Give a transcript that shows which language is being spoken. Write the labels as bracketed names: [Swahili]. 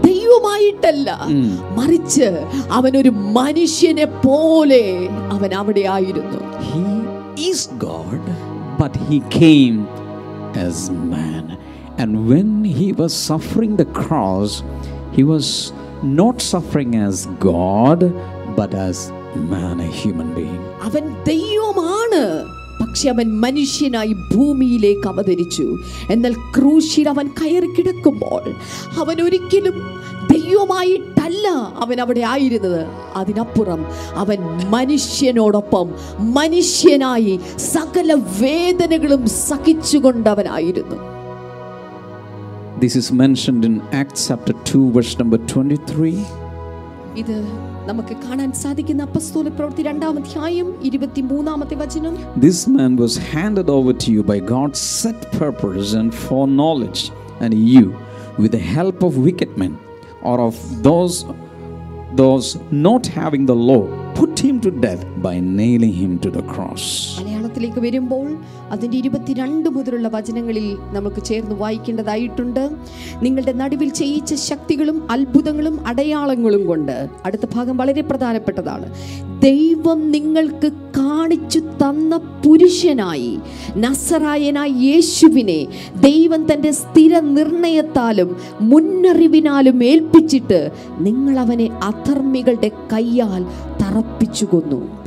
[Malayalam] ദൈവമായിട്ടല്ല, മറിച്ച് അവനൊരു മനുഷ്യനെ പോലെ അവൻ അവിടെ ആയിരുന്നു. [English] He is God, but he came as man. And when he was suffering the cross, he was not suffering as God, but as man, a human being. [Malayalam] അവൻ ദൈവമാണ്, പക്ഷെ അവൻ മനുഷ്യനായി ഭൂമിയിലേക്ക് അവതരിച്ചു. എന്നാൽ ക്രൂശിൽ അവൻ കയറി കിടക്കുമ്പോൾ അവൻ ഒരിക്കലും ദൈവമായിട്ടല്ല അവൻ അവിടെ ആയിരുന്നത്. അതിനപ്പുറം അവൻ മനുഷ്യനോടൊപ്പം മനുഷ്യനായി സകല വേദനകളും സഹിച്ചുകൊണ്ട് അവനായിരുന്നു. [English] This is mentioned in Acts chapter 2 verse number 23. [Malayalam] ഇതു നമുക്ക് കാണാൻ സാധിക്കുന്ന അപ്പോസ്തല പ്രവൃത്തി 2:23 23-ാമത്തെ വചനം. [English] This man was handed over to you by God's set purpose and foreknowledge, and you, with the help of wicked men or of those not having the law, put him to death by nailing him to the cross. [Malayalam] അലയാളത്തിലേക്ക് വരുമ്പോൾ അതിന്റെ 22 മുതലുള്ള വചനങ്ങളിൽ നമുക്ക് ചേർന്ന് വായിക്കേണ്ടതായിട്ടുണ്ട്. നിങ്ങളുടെ നടുവിൽ ചെയ്യിച്ച ശക്തികളും അത്ഭുതങ്ങളും അടയാളങ്ങളും കൊണ്ട്, അടുത്ത ഭാഗം വളരെ പ്രധാനപ്പെട്ടതാണ്, ദൈവം നിങ്ങൾക്ക് കാണിച്ചു തന്ന പുരുഷനായി നസറായനായി യേശുവിനെ ദൈവം തൻ്റെ സ്ഥിര നിർണയത്താലും മുന്നറിവിനാലും ഏൽപ്പിച്ചിട്ട് നിങ്ങൾ അവനെ അധർമ്മികളുടെ കയ്യാൽ തറപ്പിച്ചു കൊന്നു.